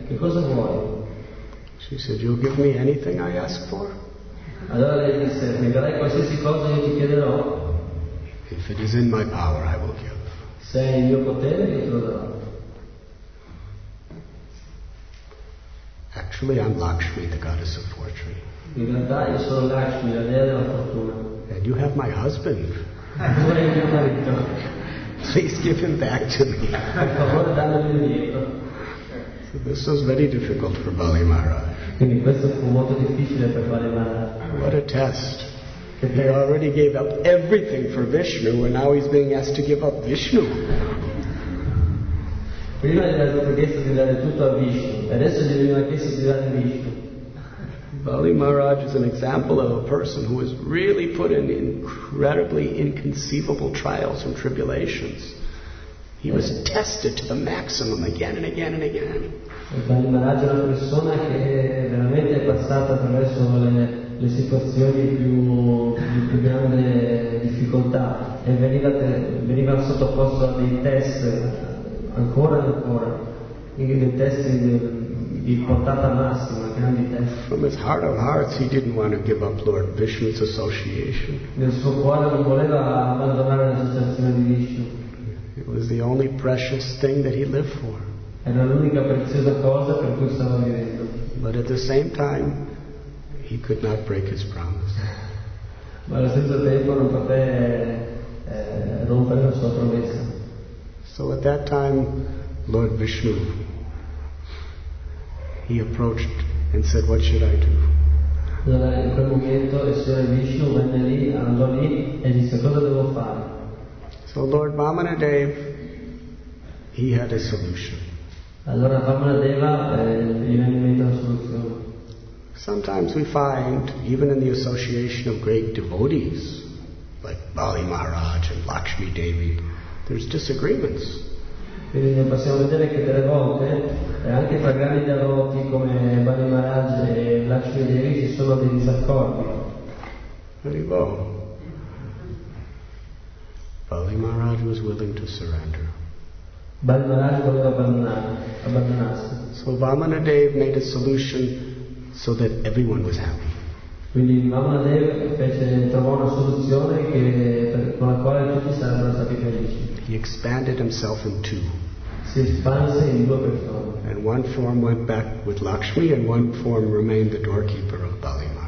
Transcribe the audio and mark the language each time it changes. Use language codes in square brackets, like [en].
[it] Che cosa vuoi? [en] She said, you'll give me anything I ask for. [it] Allora lei disse, mi darai qualsiasi cosa io ti chiederò? [en] If it is in my power, I will give. [it] Se è in mio potere, io lo darò. [en] Actually, I'm Lakshmi, the goddess of fortune. [it] In realtà, io sono Lakshmi, la dea della fortuna. [en] And you have my husband. [it] Voi mio marito. [en] Please give him back to me. [it] Favore, dammelo indietro. [en] So this was very difficult for Bali Maharaj. [it] Quindi questo fu molto difficile per Bali Maharaj. [en] What a test. He already gave up everything for Vishnu, and now he's being asked to give up Vishnu. [it] Prima gli aveva chiesto di dare tutto a Vishnu, adesso gli aveva chiesto di dare Vishnu. [en] Bali Maharaj is an example of a person who has really put in incredibly inconceivable trials and tribulations. He was tested to the maximum again and again and again. [it] Bali Maharaj è una persona che veramente è passata attraverso le situazioni più grandi difficoltà e veniva sottoposto a dei test ancora e ancora, dei test di portata massima, grandi test. [en] From his heart of hearts, he didn't want to give up Lord Vishnu's association. [it] Nel suo cuore non voleva abbandonare l'associazione di Vishnu. [en] It was the only precious thing that he lived for. [it] Era l'unica preziosa cosa per cui stava vivendo. [en] But at the same time, he could not break his promise. [it] Ma allo stesso tempo non poteva rompere la sua promessa. [en] So at that time, Lord Vishnu, he approached and said, "What should I do?" [it] Allora in quel momento il signor Vishnu venne lì, andò lì e disse, "Cosa devo fare?" [en] So Lord Vamanadeva, he had a solution. [it] Allora Vamanadeva gli venne in mente una soluzione. [en] Sometimes we find, even in the association of great devotees, like Bali Maharaj and Lakshmi Devi, there's disagreements. [it] Quindi possiamo vedere che delle volte, anche tra grandi devoti come Bali Maharaj e Lakshmi Devi, ci sono dei disaccordi. Arrivò. [en] Bali Maharaj was willing to surrender. [it] Bali Maharaj voleva abbandonarsi. [en] So Vamanadeva made a solution so that everyone was happy. [it] Quindi Vamanadeva trovò una soluzione con la quale tutti sarebbero stati felici. [en] He expanded himself in two. [it] Si espanse in due persone. [en] And one form went back with Lakshmi, and one form remained the doorkeeper of Bali.